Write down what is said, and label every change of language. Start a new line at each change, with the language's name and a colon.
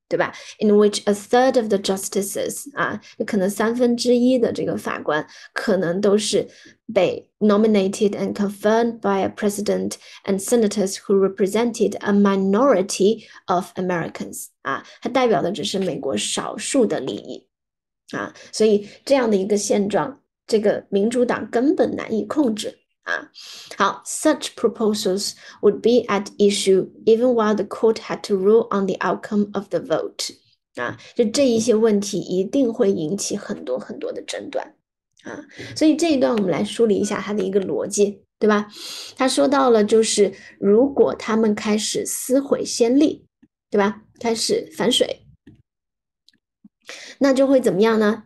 Chinese: 对吧？
English: In which a third of the justices
Chinese: 啊，有可能三分之一的这个法官，可能都是被
English: nominated and confirmed by a president and senators who represented a minority of Americans
Chinese: 啊，它代表的只是美国少数的利益啊，所以这样的一个现状，这个民主党根本难以控制。
English: 好，such proposals would be at issue even while the court had to rule on the outcome of the vote。
Chinese: 啊，就这一些问题一定会引起很多很多的争端。啊，所以这一段我们来梳理一下它的一个逻辑，对吧？他说到了，就是如果他们开始撕毁先例，对吧？开始反水，那就会怎么样呢？